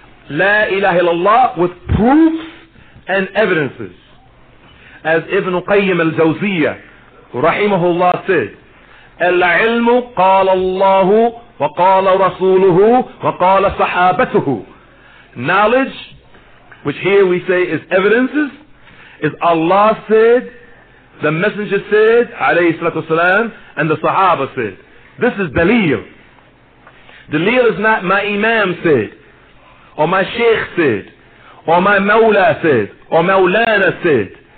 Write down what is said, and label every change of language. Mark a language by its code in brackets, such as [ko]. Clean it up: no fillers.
[en] La ilaha illallah with proofs and evidences. As Ibn Qayyim al-Jawziyyah, rahimahullah, said, [ar] العلم قال الله وقال رسوله وقال صحابته. [en] Knowledge, which here we say is evidences, is Allah said, the Messenger said, [ar] عليه الصلاة والسلام, [en] and the Sahaba said. This is دليل. دليل is not my Imam said, or my Sheikh said, or my Mawla said, or Mawlana said.